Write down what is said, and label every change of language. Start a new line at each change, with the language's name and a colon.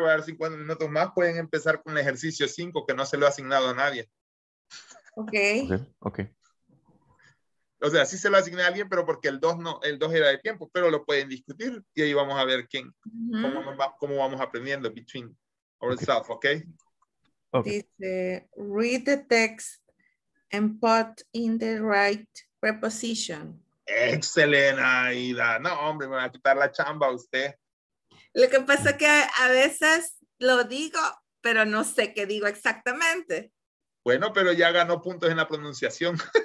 Spanish: Voy a dar 50 minutos más. Pueden empezar con el ejercicio 5, que no se lo ha asignado a nadie.
English: Okay.
Spanish: O sea, sí se lo asigné a alguien, pero porque el 2 no, el 2 era de tiempo, pero lo pueden discutir y ahí vamos a ver quién. Uh-huh. Cómo vamos aprendiendo
English: between ourselves,
Spanish: ok.
English: Okay.
Spanish: Dice,
English: read the text and put in the right preposition.
Spanish: Excelente, Aida. No, hombre, me va a quitar la chamba a usted. Lo que pasa es que a veces lo digo, pero no sé qué digo exactamente. Bueno, pero ya ganó puntos en la pronunciación.